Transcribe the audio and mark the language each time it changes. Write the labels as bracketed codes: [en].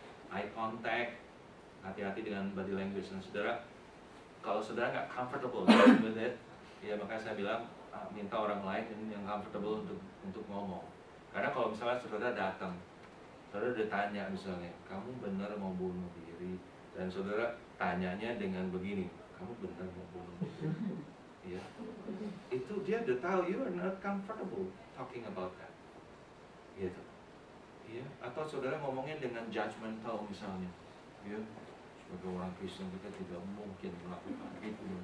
[id] Eye contact, hati-hati dengan body language. Nah, saudara, kalau saudara nggak [en] comfortable with it, [id] ya makanya saya bilang minta orang lain yang comfortable untuk ngomong. Karena kalau misalnya saudara datang, saudara ditanya misalnya, kamu benar mau bunuh diri? Dan saudara tanyanya dengan begini, kamu benar mau bunuh diri? Ya. Itu dia udah tahu, [en] you are not comfortable talking about that. [id] Gitu. Ya. Atau saudara ngomongnya dengan judgmental misalnya. Ya. sebagai orang Kristen kita tidak mungkin melakukan itu.